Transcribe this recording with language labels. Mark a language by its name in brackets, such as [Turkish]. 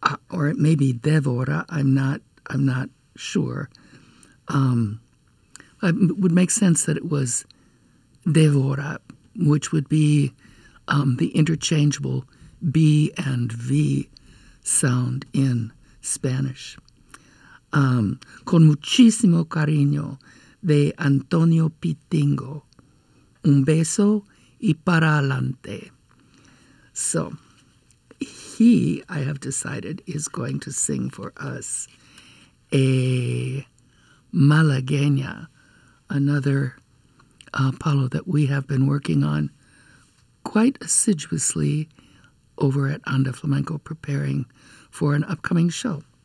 [English] Or it may be Devora, I'm not sure. It would make sense that it was Devora, which would be the interchangeable B and V sound in Spanish. [Spanish] Con muchísimo cariño de Antonio Pitingo. Un beso y para adelante. [English] So, he, I have decided, is going to sing for us a Malagueña, another Paulo that we have been working on quite assiduously over at Onda Flamenco, preparing for an upcoming show.